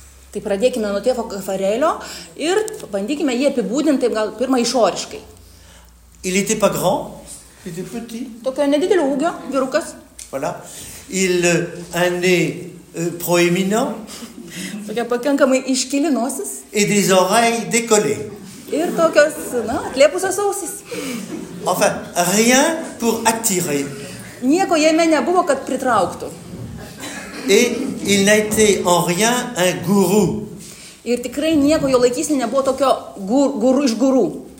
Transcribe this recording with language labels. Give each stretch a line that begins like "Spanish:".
Lithuanian: Tai pradėkime nuo tėvo Caffarelio ir bandykime jį apibūdinti gal pirmą išoriškai.
French: Il était pas grand, il était petit.
Lithuanian: Tokio nedidelio ūgio, vyrukas.
French: Voilà. Il a un nez proéminent.
Lithuanian: Tokia pakankamai iškili nosis.
French: Et des oreilles décollées.
Lithuanian: Ir tokios, na, atlėpusios ausis.
French: Enfin, rien pour attirer.
Lithuanian: Nieko jame nebuvo, kad pritrauktų.
French: Et il n'a été en rien un gourou.
Lithuanian: Ir tikrai nieko jo laikysi nebuvo tokio gourou iš gourou.